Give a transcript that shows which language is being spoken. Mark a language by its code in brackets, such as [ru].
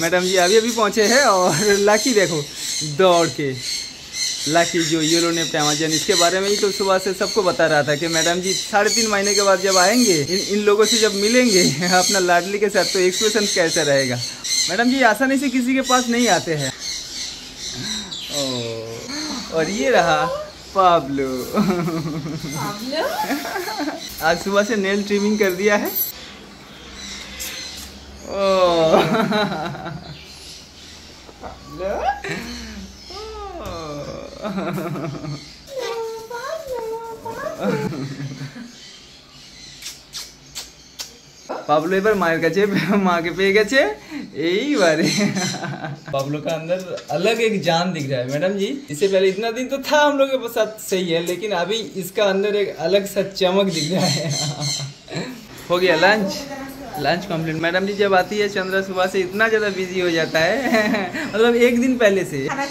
[hi] Madam जी अभी पहुँचे हैं, और लकी देखो दौड़ के, लकी जो योलो नेप्ड अमेज़न इसके बारे में ही तो सुबह से सबको बता रहा था कि मैडम जी 3.5 महीने के बाद जब आएंगे इन लोगों से जब मिलेंगे अपना लाडली के साथ तो एक्सप्रेशन कैसे रहेगा। मैडम जी आसानी से किसी के पास नहीं आते हैं। और ये रहा पाब्लो। आज सुबह से नेल ट्रिमिंग कर दिया है। [bn] পাবলো এবার মায়ের কাছে, মাকে পেয়ে গেছে এইবারে। [hi] पाब्लो का अंदर अलग एक जान दिख रहा है मैडम जी, इससे पहले इतना दिन तो था हम लोग के साथ सही है, लेकिन अभी इसका अंदर एक अलग सा चमक दिख रहा है। हो गया लंच, लंच कंप्लीट। मैडम जी जब आती है चंद्रा सुबह से इतना ज्यादा बिजी हो जाता है, मतलब एक दिन पहले से